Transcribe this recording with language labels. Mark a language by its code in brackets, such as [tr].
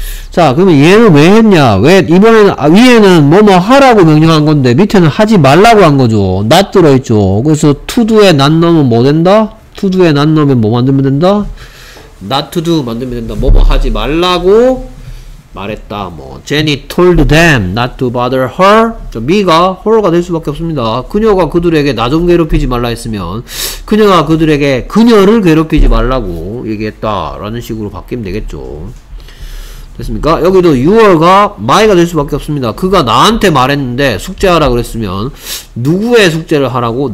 [ko] 자, 그러면 얘는 왜 했냐? 왜 이번에는, 아, 위에는 뭐뭐 하라고 명령한 건데 밑에는 하지 말라고 한 거죠. not 들어있죠. 그래서 to do에 not 넣으면 뭐 된다? to do에 not 넣으면 뭐 만들면 된다? [en] not to do [ko] 만들면 된다. 뭐뭐 하지 말라고 말했다. 뭐 [en] Jenny told them not to bother her. [ko] 저 me가 her가 될 수밖에 없습니다. 그녀가 그들에게 나 좀 괴롭히지 말라 했으면 그녀가 그들에게 그녀를 괴롭히지 말라고 얘기했다 라는 식으로 바뀌면 되겠죠. 됐습니까? 여기도 6월가 my가 될 수밖에 없습니다. 그가 나한테 말했는데 숙제하라 그랬으면 누구의 숙제를 하라고?